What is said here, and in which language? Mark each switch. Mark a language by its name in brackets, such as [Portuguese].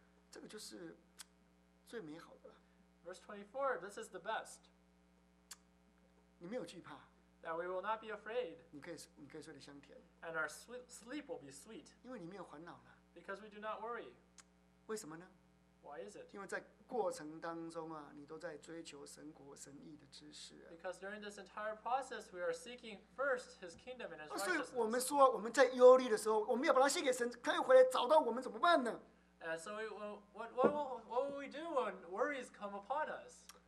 [Chinese] 你躺下必不惧怕，你躺卧睡得香甜，这个就是最美好的了。 [English] Verse 24, this is the best. [Chinese] 你没有惧怕, [English] that we will not be afraid. [Chinese] 你可以睡得香甜, [English] and our sleep will be sweet. [Chinese] 因为你没有烦恼了, [English] because we do not worry. [Chinese] 为什么呢? [English] Why is it? [Chinese] 因为在过程当中啊, 你都在追求神国神义的知识, [English] because during this entire process, we are seeking first his kingdom and his righteousness. [Chinese] 所以我们说, 我们在忧虑的时候, 我们要把它献给神, 可以回来找到我们怎么办呢? [English] So what will we do when worries come upon us?